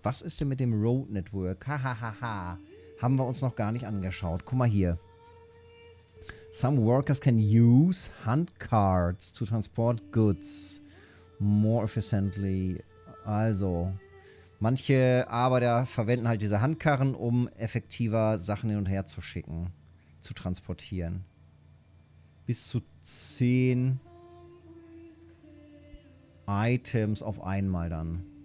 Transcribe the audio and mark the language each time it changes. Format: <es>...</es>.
<de>Was ist denn mit dem Road Network? Hahaha. Haben wir uns noch gar nicht angeschaut. Guck mal hier.</de> <en>Some workers can use handcarts to transport goods more efficiently.</en> <de>Also... Manche Arbeiter verwenden halt diese Handkarren, um effektiver Sachen hin und her zu schicken, zu transportieren. Bis zu 10 Items auf einmal dann.</de>